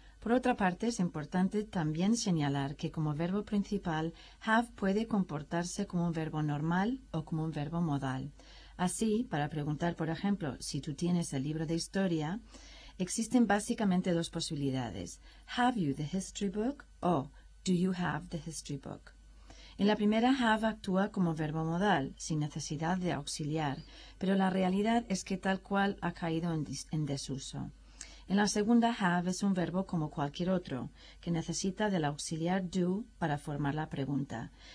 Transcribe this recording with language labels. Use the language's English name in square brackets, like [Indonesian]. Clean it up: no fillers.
[Spanish] Por otra parte, es importante también señalar que como verbo principal, have puede comportarse como un verbo normal o como un verbo modal. Así, para preguntar, por ejemplo, si tú tienes el libro de historia, existen básicamente dos posibilidades. [English] Have you the history book? O do you have the history book? [Spanish] En la primera, have actúa como verbo modal, sin necesidad de auxiliar, pero la realidad es que tal cual ha caído en desuso. En la segunda, have es un verbo como cualquier otro, que necesita del auxiliar do para formar la pregunta.